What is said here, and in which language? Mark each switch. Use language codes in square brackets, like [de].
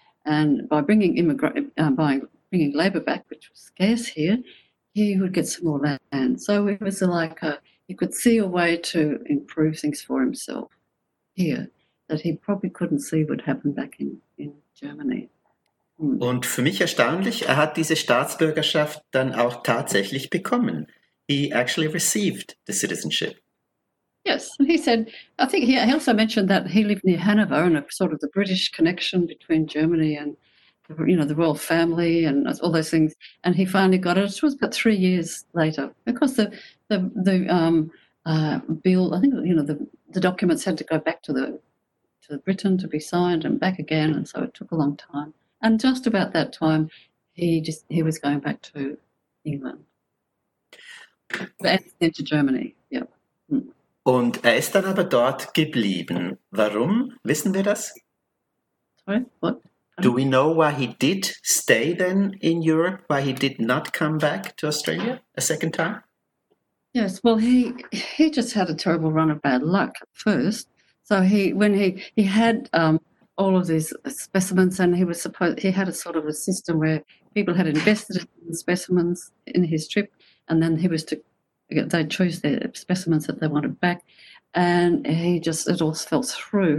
[en] And by bringing labour back, which was scarce here, he would get some more land. So it was like he could see a way to improve things for himself here that he probably couldn't see would happen back in Germany. [de] Und für mich erstaunlich, er hat diese Staatsbürgerschaft dann auch tatsächlich bekommen. [en] He actually received the citizenship. Yes, he said, I think he also mentioned that he lived near Hanover and a sort of the British connection between Germany and, you know, the royal family and all those things. And he finally got it. It was about 3 years later because the bill, I think, you know, the documents had to go back to Britain to be signed and back again. And so it took a long time. And just about that time, he was going back to England. And then to Germany, yep. [de] Und er ist dann aber dort geblieben. Warum? Wissen wir das? [en] Sorry, what? Do we know why he did stay then in Europe, why he did not come back to Australia a second time? Yes, well, he just had a terrible run of bad luck first. So he had all of these specimens, and he had a sort of a system where people had invested in specimens in his trip, and then he was to they'd choose the specimens that they wanted back, and it all fell through.